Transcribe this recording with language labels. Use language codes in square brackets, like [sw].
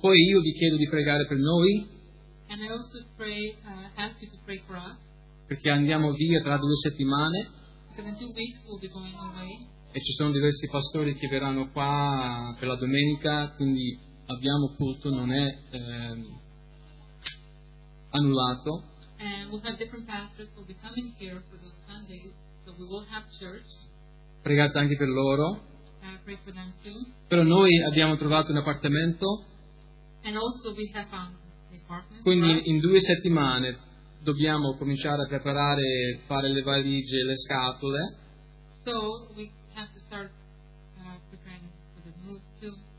[it] Poi io vi chiedo di pregare per noi. [en] And I also pray, ask you to pray for us. [it] Perché andiamo via tra due settimane. [en] Because in 2 weeks we'll be going away. [it] E ci sono diversi pastori che verranno qua per la domenica, quindi abbiamo culto, non è annullato. [en] And we'll have different pastors who will be coming here for those Sundays, so we will have church. [it] Pregate anche per loro. [en] Pray for them too. [it] Però noi abbiamo trovato un appartamento. [en] And also we have found an apartment. [it] Quindi in 2 settimane dobbiamo cominciare a preparare, fare le valigie, le scatole. [en] So we have to start preparing for the move too.